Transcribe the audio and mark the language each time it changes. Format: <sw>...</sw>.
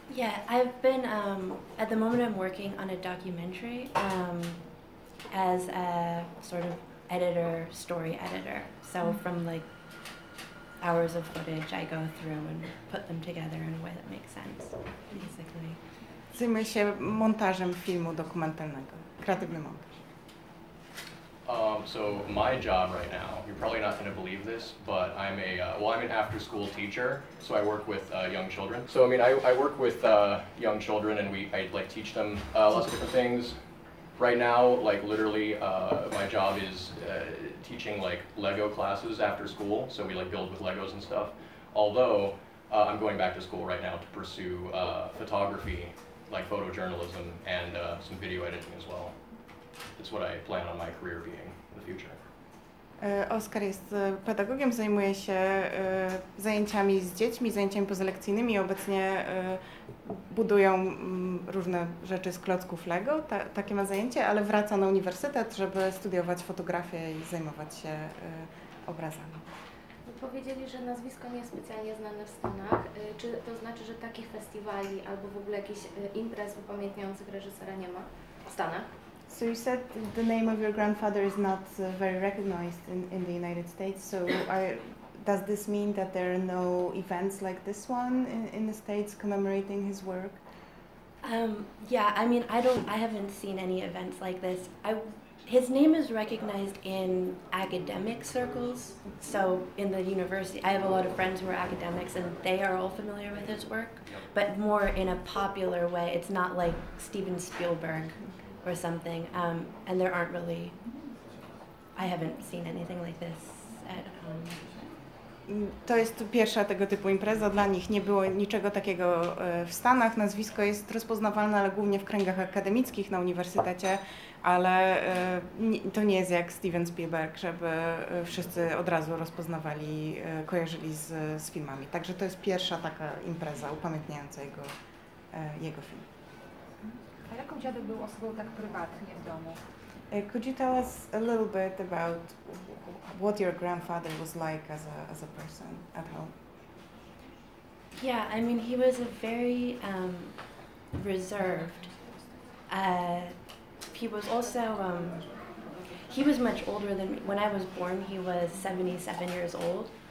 <en>Yeah, I've been, at the moment I'm working on a documentary as a sort of editor, story editor. So from like hours of footage I go through and put them together in a way that makes sense, basically.</en> <pl>Zajmuje się montażem filmu dokumentalnego, kreatywny montaż.</pl> <en>So my job right now, you're probably not going to believe this, but I'm a, well, I'm an after school teacher, so I work with young children. So I mean, I work with young children and I like teach them lots of different things. Right now, like literally, my job is teaching like Lego classes after school, so we like build with Legos and stuff. Although, I'm going back to school right now to pursue photography, like photojournalism, and some video editing as well. It's what I plan on my career being in the future.</en> <pl>Oskar jest pedagogiem, zajmuje się zajęciami z dziećmi, zajęciami pozalekcyjnymi. Obecnie budują różne rzeczy z klocków Lego, takie ma zajęcie, ale wraca na uniwersytet, żeby studiować fotografię i zajmować się obrazami. Powiedzieli, że nazwisko nie jest specjalnie znane w Stanach. Czy to znaczy, że takich festiwali albo w ogóle jakichś imprez upamiętniających reżysera nie ma w Stanach?</pl> <en>So you said the name of your grandfather is not very recognized in the United States. So does this mean that there are no events like this one in the States commemorating his work? Yeah, I mean, I haven't seen any events like this. His name is recognized in academic circles. So in the university, I have a lot of friends who are academics and they are all familiar with his work, but more in a popular way. It's not like Steven Spielberg or something, and there aren't really, I haven't seen anything like this at home.</en> <pl>To jest pierwsza tego typu impreza. Dla nich nie było niczego takiego w Stanach. Nazwisko jest rozpoznawalne, ale głównie w kręgach akademickich na uniwersytecie, ale to nie jest jak Steven Spielberg, żeby wszyscy od razu rozpoznawali, kojarzyli z filmami. Także to jest pierwsza taka impreza upamiętniająca jego film. Jaką dziadek był osobą tak prywatnie w domu?</pl> <en>Could you tell us a little bit about what your grandfather was like as a person at home? Yeah, I mean, he was a very reserved. He was also, he was much older than me. When I was born, he was 77 years old.</en>